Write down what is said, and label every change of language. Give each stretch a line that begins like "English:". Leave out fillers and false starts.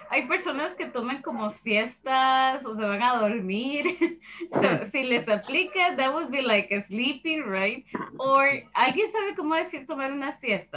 Spanish: Hay personas que toman como siestas o se van a dormir.
English: So,
Spanish: si les aplica,
English: that would be like sleeping, right?
Spanish: Or, ¿alguien sabe cómo decir tomar una siesta?